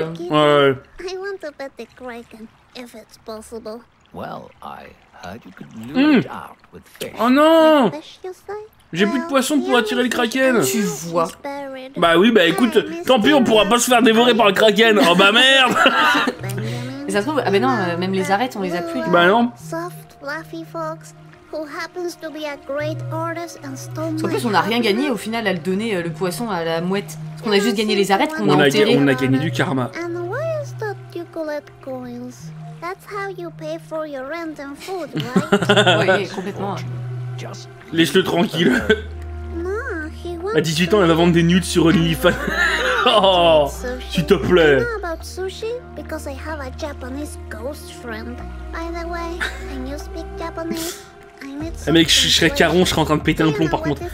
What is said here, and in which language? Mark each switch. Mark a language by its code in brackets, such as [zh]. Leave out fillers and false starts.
[fr] Oh non! J'ai plus de poissons pour attirer le kraken. Tu vois. Bah oui, bah écoute, tant pis, on pourra pas se faire dévorer par le kraken. Oh bah merde! Mais ça se trouve, ah bah non, même les arêtes, on les a plus. Bah non. [en] Who happens to be a great artist and stone. [fr] En plus, on n'a rien gagné au final à le donner le poisson à la mouette. Parce qu'on a juste gagné les arêtes qu'on a enterrées. On a gagné du karma. [en] And why is that you collect coins? That's how you pay for your rent and food, right? [fr] Oui, complètement. Laisse-le tranquille. Non, à 18 ans, elle va vendre des nudes sur OnlyFans. Oh, s'il te plaît. [en] You know about sushi? Because I have a Japanese ghost friend. By the way, can you speak Japanese? [fr] Ah mec, je serais caron, je serais en train de péter un plomb par contre.